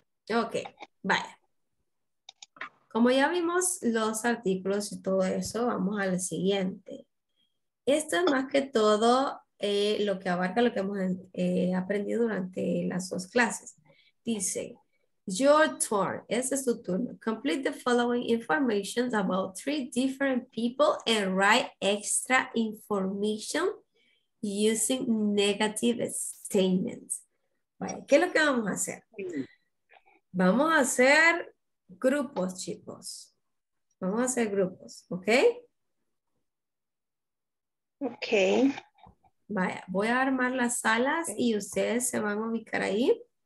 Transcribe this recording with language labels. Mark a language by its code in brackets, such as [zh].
[es] Ok, vaya. Como ya vimos los artículos y todo eso, vamos al siguiente. Esto es más que todo lo que abarca lo que hemos aprendido durante las dos clases. Dice, [en] your turn, [es] ese es tu turno. [en] Complete the following information about three different people and write extra information using negative statements. [es] Vale, ¿qué es lo que vamos a hacer? Vamos a hacer grupos, chicos. Vamos a hacer grupos, ¿ok? Ok. Vaya, voy a armar las salas y ustedes se van a ubicar ahí.